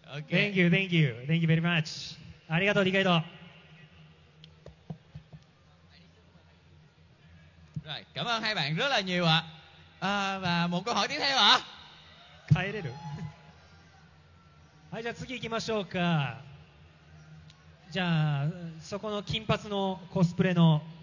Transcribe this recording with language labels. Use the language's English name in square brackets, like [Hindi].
[English] Thank you, thank you. Thank you very much. [Japanese] ありがとう、ディケイド。 [Vietnamese] Cảm ơn hai bạn rất là nhiều ạ. Và một câu hỏi tiếp theo ạ. [Japanese] 帰れる? はい、じゃあ次行きましょうか。じゃあそこの金髪のコスプレの。